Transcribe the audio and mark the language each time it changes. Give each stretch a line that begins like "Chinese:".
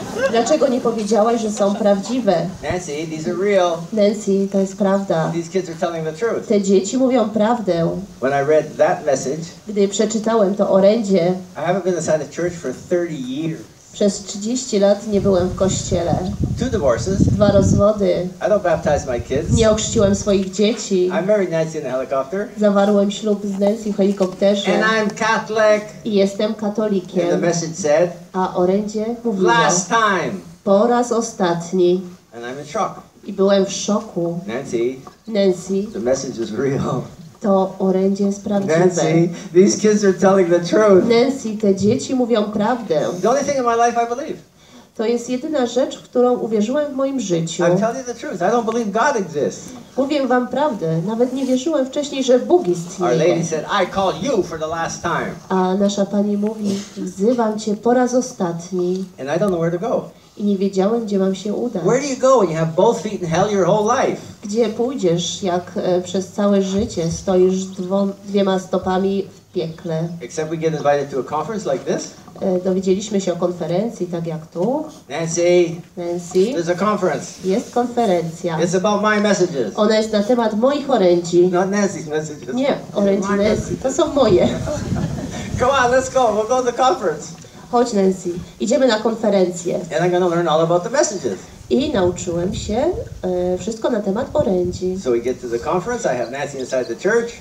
Polish: Dlaczego nie powiedziałaś, że są prawdziwe?
English: Nancy, these are real.
Polish: Nancy, to jest prawda.
English: These kids are telling the truth.
Polish: Te dzieci mówią prawdę.
English: When I read that message,
Polish: gdy przeczytałem to orędzie,
English: I haven't been inside the church for 30 years.
Polish: Przez 30 lat nie byłem w kościele.
English: Two divorces.
Polish: Dwa rozwody.
English: I don't baptize my kids.
Polish: Nie ochrzciłem swoich dzieci.
English: I married Nancy in a helicopter.
Polish: Zawarłem ślub z Nancy w helikopterze.
English: And I'm Catholic.
Polish: I jestem katolikiem.
English: And the message said,
Polish: a orędzie mówiło,
English: last time.
Polish: Po raz ostatni.
English: And I'm in shock.
Polish: I byłem w szoku.
English: Nancy. The message is real.
Polish: To orędzie jest prawdziwe.
English: Nancy, these kids are telling the truth.
Polish: Nancy, te dzieci mówią prawdę.
English: The only thing in my life I believe.
Polish: To jest jedyna rzecz, w którą uwierzyłem w moim życiu.
English: I'm telling you the truth. I don't believe God exists.
Polish: Mówię wam prawdę. Nawet nie wierzyłem wcześniej, że Bóg istnieje.
English: Our lady said, I call you for the last time.
Polish: A nasza pani mówi, wzywam cię po raz ostatni.
English: And I don't know where to go.
Polish: I nie wiedziałem, gdzie mam się udać.
English: Where do you go when you have both feet in hell your whole life?
Polish: Gdzie pójdziesz, jak przez całe życie stoisz dwiema stopami w piekle?
English: Except we get invited to a conference like this.
Polish: Dowiedzieliśmy się o konferencji, tak jak tu.
English: Nancy, there's a conference.
Polish: Jest konferencja.
English: It's about my messages.
Polish: Ona jest na temat moich orędzi.
English: Not Nancy's messages.
Polish: Nie, orędzi Nancy. Messages. To są moje.
English: Come on, let's go. We'll go to the conference.
Polish: Chodź, Nancy. Idziemy na konferencję.
English: And I'm gonna learn all about the messages.
Polish: I nauczyłem się wszystko na temat orędzi.
English: So we get to the conference. I have Nancy inside the church.